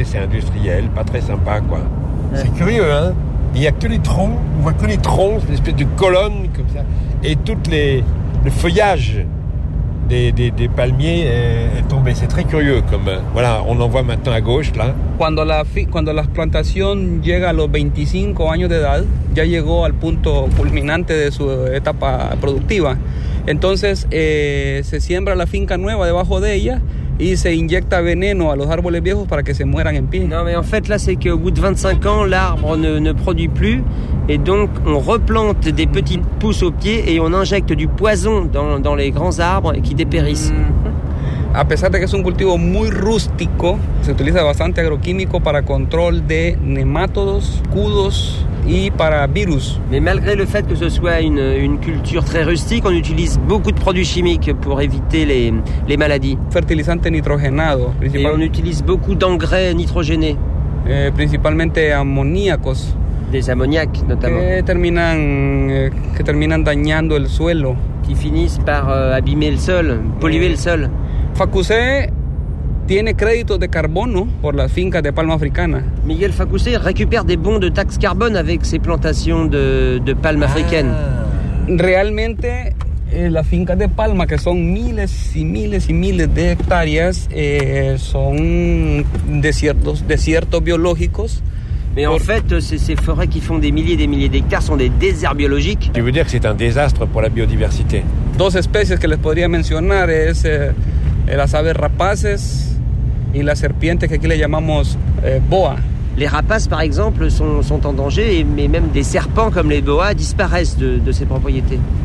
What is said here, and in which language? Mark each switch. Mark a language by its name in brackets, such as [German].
[French] c'est industriel, pas très sympa, quoi. Ouais. C'est curieux, hein. Il n'y a que les troncs, on voit que les troncs, c'est une espèce de colonne comme ça. Et toutes les, le feuillage des palmiers est tombé. C'est très curieux. Comme, voilà, on en voit maintenant à gauche, là. [Spanish] Cuando la plantación llega a los 25 años de edad, ya llegó al punto culminante de su etapa productiva. Entonces, se siembra la finca nueva debajo de ella y se inyecta veneno a los árboles viejos para que se mueran en pie. [French] Non, mais en fait, là, c'est qu'au bout de 25 ans, l'arbre ne produit plus. Et donc, on replante des petites pousses au pied et on injecte du poison dans les grands arbres qui dépérissent. [Spanish] A pesar de que es un cultivo muy rústico, se utiliza bastante agroquímico para control de nematodos, cudos y para virus. [French] Mais malgré le fait que ce soit une culture très rustique, on utilise beaucoup de produits chimiques pour éviter les maladies. [Spanish] Fertilizante nitrogenado. [French] Et on utilise beaucoup d'engrais nitrogénés. [Spanish] Principalmente amoníacos. [French] Des ammoniaques, notamment. [Spanish] Que terminan dañando el suelo. [French] Qui finissent par abîmer le sol, polluer le sol. [Spanish] Facusé tiene crédito de carbono por las fincas de palma africana. [French] Miguel Facusé récupère des bons de taxe carbone avec ses plantations de palmes africaines. [Spanish] Realmente, las fincas de palma, que son miles y miles y miles de hectáreas, son desiertos biológicos. [French] Mais en fait, ces forêts qui font des milliers et des milliers d'hectares sont des déserts biologiques. Tu veux dire que c'est un désastre pour la biodiversité. [Spanish] Dos especies que les podrías mencionar es las aves rapaces y la serpiente que aquí le llamamos boa. [French] Les rapaces, par exemple, sont en danger, mais même des serpents comme les boas disparaissent de ces propriétés.